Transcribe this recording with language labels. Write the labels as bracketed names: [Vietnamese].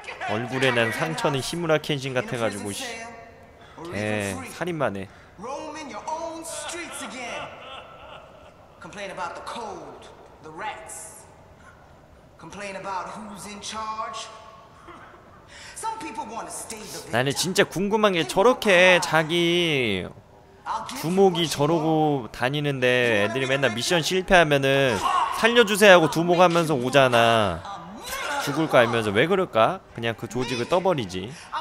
[Korean] 얼굴에 난 상처는 히무라 켄신 같아 가지고 씨. 예, 살인만 해. [English] Roaming your own streets again. Complain about the cold, the rats. Complain about who's in charge. Some people want to stay the victim. [Korean] 나는 진짜 궁금한 게 저렇게 자기 두목이 저러고 다니는데 애들이 맨날 미션 실패하면은 살려주세요 하고 두목하면서 오잖아. 죽을 거 알면서 왜 그럴까? 그냥 그 조직을 떠버리지.